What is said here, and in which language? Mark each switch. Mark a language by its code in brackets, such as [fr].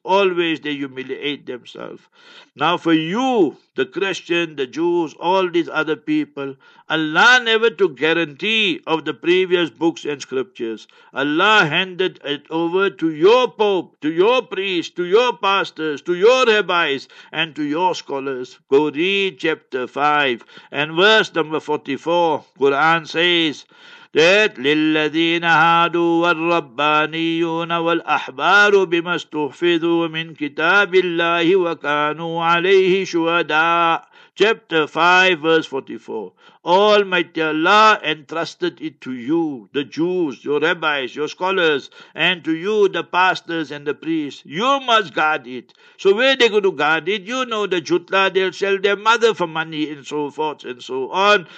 [en] Always they humiliate themselves. Now for you, the Christian, the Jews, all these other people, Allah never took guarantee of the previous books and scriptures. Allah handed it over to your Pope, to your priest, to your pastors, to your rabbis, and to your scholars. Go read chapter 5 and verse number 44. Quran says that [ar] لِلَّذِينَ هَادُوا وَالرَّبَّانِيُّونَ وَالْأَحْبَارُ بِمَا اسْتُحْفِظُوا مِنْ كِتَابِ اللَّهِ وَكَانُوا عَلَيْهِ شُهَدَاءَ. [en] Chapter 5, verse 44. Almighty Allah entrusted it to you, the Jews, your rabbis, your scholars, and to you, the pastors and the priests. You must guard it. So where are they going to guard it? You know the jutla, they'll sell their mother for money and so forth and so on.